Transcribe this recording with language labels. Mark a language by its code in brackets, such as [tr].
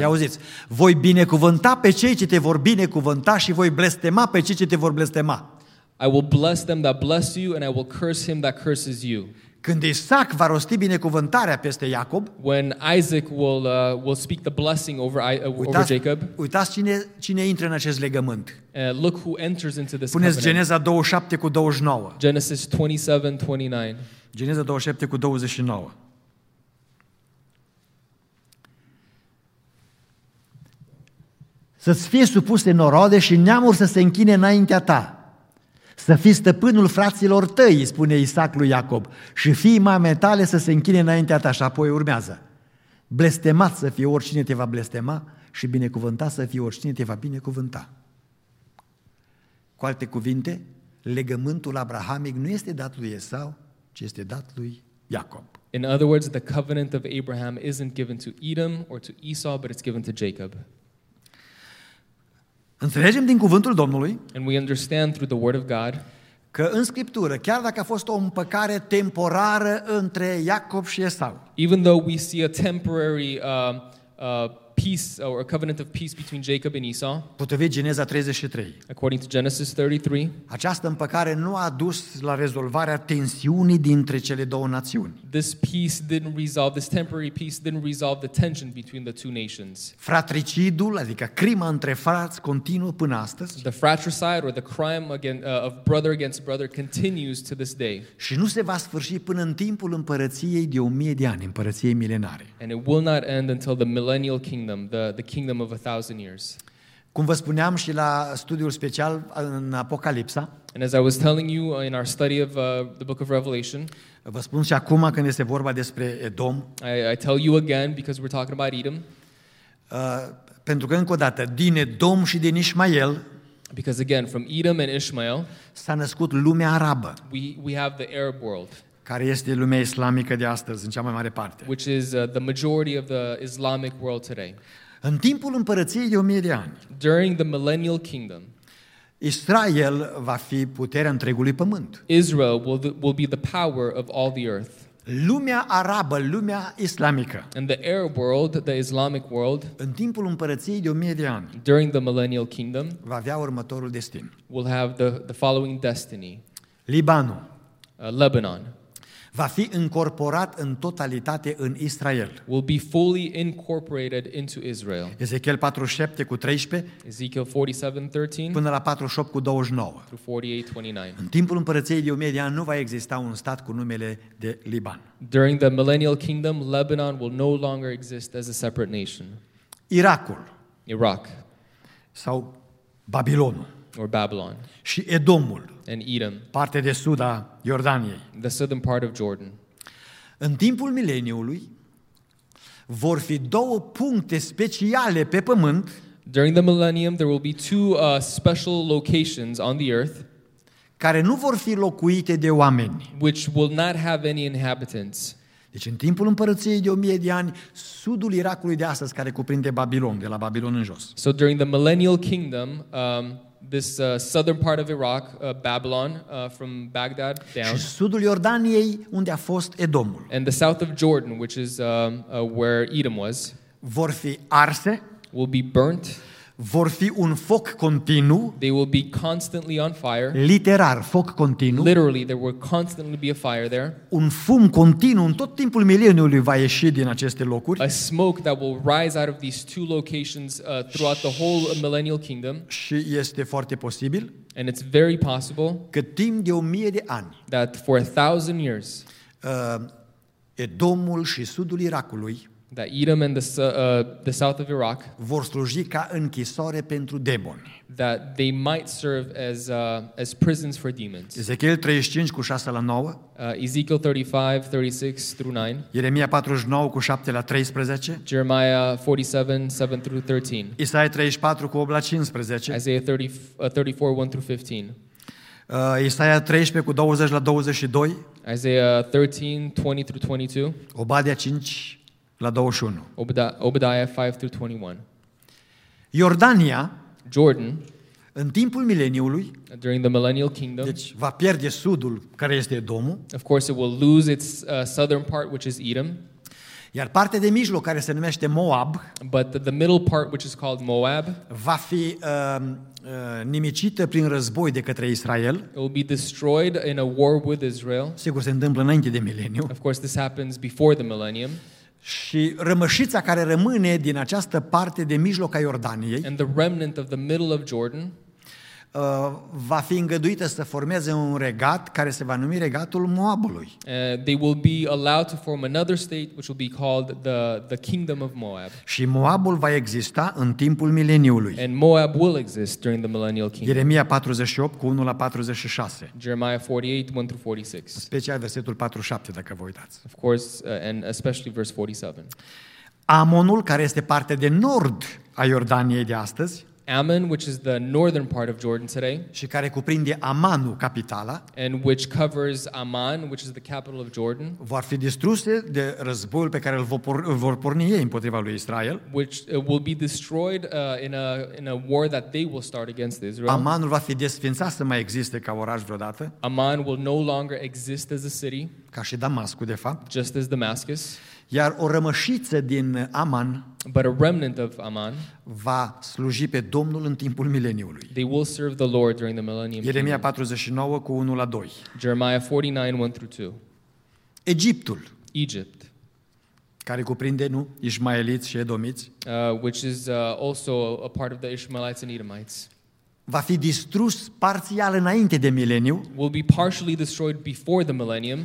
[ro] Ia auziți, voi binecuvânta pe cei ce te vor binecuvânta și voi blestema pe cei ce te vor blestema. [en] I will bless them that bless you and I will curse him that curses you. [ro] Când Isaac va rosti binecuvântarea peste Iacob, [en] when Isaac will speak the blessing over Jacob. [ro] Uitați cine intră în acest legământ. [en] Look who enters into this [ro] covenant. Puneți Geneza 27 cu 29. [en] Genesis 27:29. [ro] Geneza 27 cu 29. Să-ți fie supuse norode și neamuri să se închine înaintea ta. Să fii stăpânul fraților tăi, spune Isaac lui Iacob, și fii mamei tale să se închine înaintea ta. Și apoi urmează. Blestemat să fie oricine te va blestema și binecuvântat să fie oricine te va binecuvânta. Cu alte cuvinte, legământul abrahamic nu este dat lui Esau, ci este dat lui Iacob. [en] In other words, the covenant of Abraham isn't given to Edom or to Esau, but it's given to Jacob. [ro] Înțelegem din cuvântul Domnului. [en] And we understand through the word of God. [ro] Că în Scriptură, chiar dacă a fost o împăcare temporară între Iacob și Esau. [en] Even though we see a temporary peace or a covenant of peace between Jacob and Esau. [ro] Potrivit Geneza 33. [en] According to Genesis 33. [ro] Această împăcare nu a dus la rezolvarea tensiunii dintre cele două națiuni. [en] This temporary peace didn't resolve the tension between the two nations. [ro] Fratricidul, adică crima între frați, continuă până astăzi. [en] The fratricide or the crime of brother against brother continues to this day. [ro] Și nu se va sfârși până în timpul împărăției de 1000 de ani, împărăției milenare. [en] And it will not end until the millennial kingdom, the kingdom of 1,000 years. [ro] Cum vă spuneam și la studiul special în Apocalipsa. [en] And as I was telling you in our study of the book of Revelation. [ro] Vă spun și acum când este vorba despre Edom. [en] I tell you again because we're talking about Edom. [ro] Pentru că încă o dată din Edom și din Ishmael. [en] Because again from Edom and Ishmael. [ro] S-a născut lumea arabă. [en] We have the Arab world. [ro] Care este lumea islamică de astăzi, în cea mai mare parte. [en] Which is the majority of the Islamic world today. [ro] În timpul împărăției de 1000 de ani. [en] During the millennial kingdom. [ro] Israel va fi puterea întregului pământ. [en] Israel will be the power of all the earth. [ro] Lumea arabă, lumea islamică. [en] And the Arab world, the Islamic world. [ro] În timpul împărăției de 1000 de ani. [en] During the millennial kingdom. [ro] Va avea următorul destin. [en] Will have the following destiny. [ro] Libanul. [en] Lebanon. [ro] Va fi incorporat în totalitate în Israel. [en] Will be fully incorporated into Israel. [ro] Ezechiel 47 cu 13. [en] Ezekiel 47:13. [ro] Până la 48 cu 29. [en] Through 48:29. [ro] În timpul împărăției de 1000 de ani nu va exista un stat cu numele de Liban. [en] During the millennial kingdom, Lebanon will no longer exist as a separate nation. [ro] Iracul. [en] Iraq. [ro] Sau Babilonul. [en] Or Babylon. [ro] Și Edomul. [en] And Edom. [ro] Parte de sud a Iordaniei. [en] The southern part of Jordan. [ro] În timpul mileniului vor fi două puncte speciale pe pământ. [en] During the millennium there will be two special locations on the earth [ro] care nu vor fi locuite de oameni. [en] Which will not have any inhabitants. [ro] Deci în timpul împărăției de 1000 de ani, sudul Irakului de astăzi care cuprinde Babilon, de la Babilon în jos. [en] So during the millennial kingdom, this southern part of Iraq, Babylon, from Baghdad down. [ro] Și sudul Iordaniei, unde a fost Edomul. [en] And the south of Jordan, which is where Edom was. [ro] Vor fi arse. [en] Will be burnt. [ro] Vor fi un foc continuu. [en] They will be constantly on fire. [ro] Literar, foc continuu. [en] Literally, there will constantly be a fire there. [ro] Un fum continuu în tot timpul mileniului va ieși din aceste locuri. [en] A smoke that will rise out of these two locations throughout the whole millennial kingdom. [ro] Și este foarte posibil. [en] And it's very possible. [ro] Că timp de 1000 de ani. [en] That for 1000 years. [ro] Edomul și sudul Irakului. [en] That Edom and the south of Iraq [ro] vor sluji ca închisoare pentru demoni. [en] That they might serve as prisons for demons. [ro] Ezechiel 35 cu 6 la 9. [en] Ezekiel 35, 36 through 9. [ro] Ieremia 49 cu 7 la 13. [en] Jeremiah 47, 7 through 13. [ro] Isaia 34 cu 8 la 15. [en] Isaiah 34, 1 through 15. [ro] Isaia 13 cu 20 la 22. [en] Isaiah 13, 20 through 22. [ro] Obadia 5 la 21. [en] Obadiah 5 through 21. [ro] Iordania, [en] Jordan, [ro] în timpul mileniului, [en] during the millennial kingdom, [ro] deci va pierde sudul care este Edomul. [en] Of course it will lose its southern part which is Edom. [ro] Iar partea de mijloc care se numește Moab, [en] but the middle part which is called Moab, [ro] va fi nimicită prin război de către Israel. [en] It will be destroyed in a war with Israel. [ro] Sigur se întâmplă înainte de mileniu. [en] Of course this happens before the millennium. [ro] Și rămășița care rămâne din această parte de mijloc a Iordaniei, [en] and the remnant of the middle of Jordan, [ro] va fi îngăduită să formeze un regat care se va numi regatul Moabului. [en] They will be allowed to form another state which will be called the kingdom of Moab. [ro] Și Moabul va exista în timpul mileniului. [en] And Moab will exist during the millennial kingdom. [ro] Ieremia 48 cu 1 la 46. [en] Jeremiah 48, 1 through 46. [ro] Special versetul 47 dacă vă uitați. [en] Of course, and especially verse 47. [ro] Amonul, care este parte de nord a Iordaniei de astăzi, [en] Ammon, which is the northern part of Jordan today, [ro] și care cuprinde Amanul, capitala, [en] and which covers Amman, which is the capital of Jordan, [ro] vor fi distruse de războiul pe care vor porni ei împotriva lui Israel, [en] which will be destroyed in a war that they will start against Israel. [ro] Amanul va fi desfințat să mai existe ca oraș vreodată. [en] Amman will no longer exist as a city, [ro] ca și Damascul, de fapt, [en] just as Damascus. [ro] Iar o rămășiță din Aman, [en] but a remnant of Aman, [ro] va sluji pe Domnul în timpul mileniului. [en] They will serve the Lord during the millennium. [ro] Ieremia 49 cu 1 la 2. [en] Jeremiah 49, 1 through 2. [ro] Egiptul, [en] Egypt, [ro] care cuprinde, nu, ismaeliți și edomiți, [en] which is also a part of the Ishmaelites and Edomites, [ro] va fi distrus parțial înainte de mileniu. [en] Will be partially destroyed before the millennium.